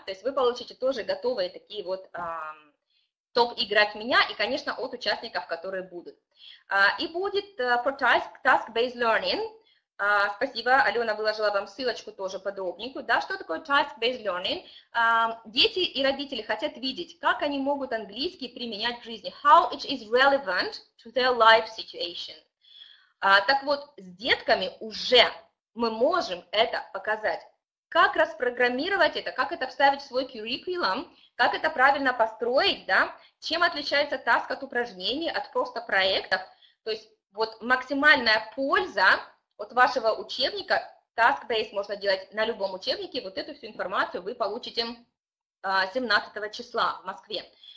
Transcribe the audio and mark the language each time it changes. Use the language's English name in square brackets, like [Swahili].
[Russian] То есть вы получите тоже готовые такие вот топ играть меня и, конечно, от участников, которые будут. И будет про task-based learning. Спасибо, Алена выложила вам ссылочку тоже подробненькую. Да, что такое task-based learning? Дети и родители хотят видеть, как они могут английский применять в жизни. [English] How it is relevant to their life situation. [Russian] Так вот, с детками уже мы можем это показать. Как распрограммировать это, как это вставить в свой curriculum, как это правильно построить, да, чем отличается таск от упражнений, от просто проектов, то есть вот максимальная польза от вашего учебника, task-based можно делать на любом учебнике, вот эту всю информацию вы получите 17 числа в Москве.